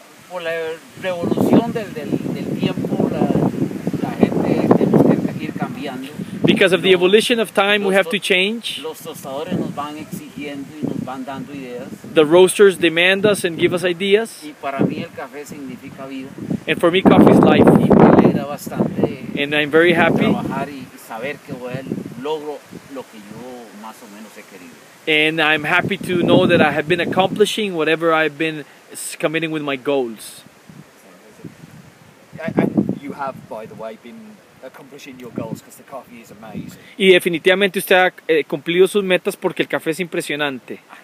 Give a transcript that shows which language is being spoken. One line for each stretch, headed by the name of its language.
Spanish: Por la revolución del tiempo, la gente tenemos que ir cambiando.
English: Because of the evolution of time, we have to change.
Spanish: Los tostadores nos van exigiendo y nos van dando ideas.
English: The roasters demand us and give us ideas.
Spanish: Y para mí el café significa vida.
English: And for me, coffee is life.
Spanish: Y me alegra bastante.
English: And I'm very happy.
Spanish: Trabajar y saber que logro lo que yo más o menos he querido.
English: And I'm happy to know that I have been accomplishing whatever I've been committing with my goals. And you have, by the way, been accomplishing your goals because the coffee is amazing.
Spanish: Y definitivamente usted ha cumplido sus metas porque el café es impresionante.